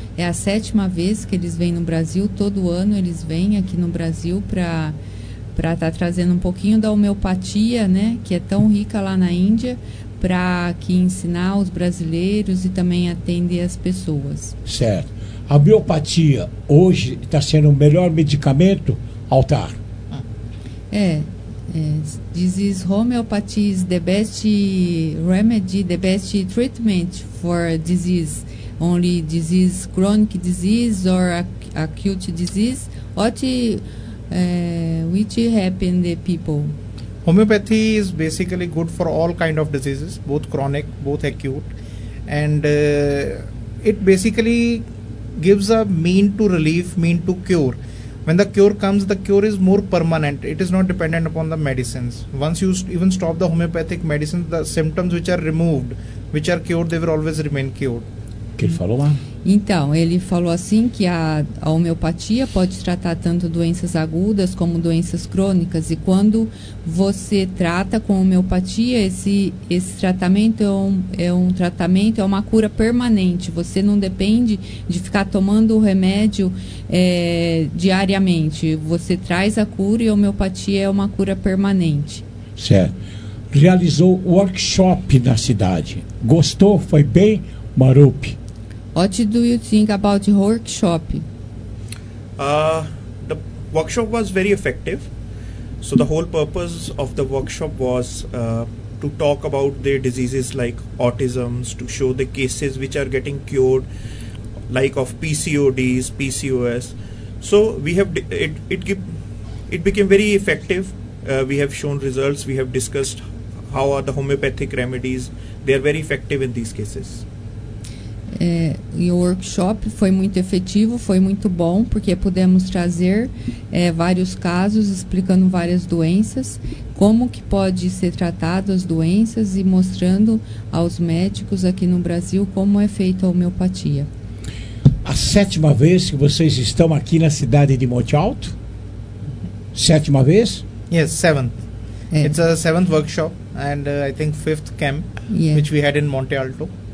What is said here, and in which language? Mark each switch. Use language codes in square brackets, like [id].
[pt] É a sétima vez que eles vêm no Brasil, todo ano eles vêm aqui no Brasil para estar trazendo um pouquinho da homeopatia, né, que é tão rica lá na Índia, para aqui ensinar os brasileiros e também atender as pessoas. Certo. A homeopatia hoje está sendo o melhor medicamento, Altar? [en] This is homeopathy is the best remedy, the best treatment for disease. Only disease, chronic disease or acute disease. Which happen the people? Homeopathy is basically good for all kind of diseases, both chronic, both acute. And it basically gives a mean to relief, mean to cure. When the cure comes, the cure is more permanent. It is not dependent upon the medicines. Once you even stop the homeopathic medicine, the symptoms which are removed, which are cured, they will always remain cured. [pt] Que ele falou lá? Então, ele falou assim que a homeopatia pode tratar tanto doenças agudas como doenças crônicas. E quando você trata com homeopatia, esse tratamento é uma cura permanente. Você não depende de ficar tomando o remédio diariamente. Você traz a cura e a homeopatia é uma cura permanente. Certo. Realizou workshop na cidade. Gostou? Foi bem, Marup? [en] What do you think about the workshop? The workshop was very effective. So the whole purpose of the workshop was to talk about the diseases like autism, to show the cases which are getting cured, like of PCODs, PCOS. So we have it it became very effective. We have shown results. We have discussed how are the homeopathic remedies. They are very effective in these cases. [pt] E o workshop foi muito efetivo, foi muito bom, porque pudemos trazer vários casos explicando várias doenças, como que pode ser tratado as doenças e mostrando aos médicos aqui no Brasil como é feita a homeopatia. A sétima vez que vocês estão aqui na cidade de Monte Alto? Sétima vez? [en] Yes, seventh. It's a seventh workshop and I think fifth camp, which we had in Monte Alto.